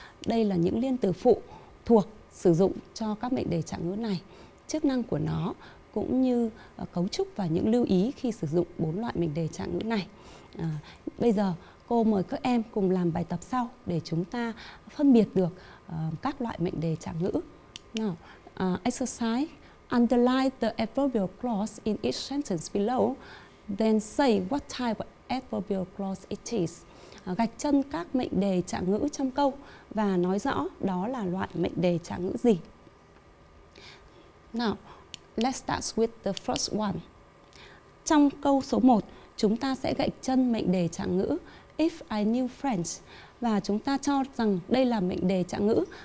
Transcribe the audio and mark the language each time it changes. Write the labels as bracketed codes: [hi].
[vi] Đây là những liên từ phụ thuộc sử dụng cho các mệnh đề trạng ngữ này, chức năng của nó cũng như cấu trúc và những lưu ý khi sử dụng 4 loại mệnh đề trạng ngữ này. Bây giờ cô mời các em cùng làm bài tập sau để chúng ta phân biệt được các loại mệnh đề trạng ngữ. [en] Now, exercise, underline the adverbial clause in each sentence below, then say what type of adverbial clause it is. [vi] Gạch chân các mệnh đề trạng ngữ trong câu và nói rõ đó là loại mệnh đề trạng ngữ gì. [en] Now, let's start with the first one. [vi] Trong câu số 1, chúng ta sẽ gạch chân mệnh đề trạng ngữ [en] If I knew French, [vi] và chúng ta cho rằng đây là mệnh đề trạng ngữ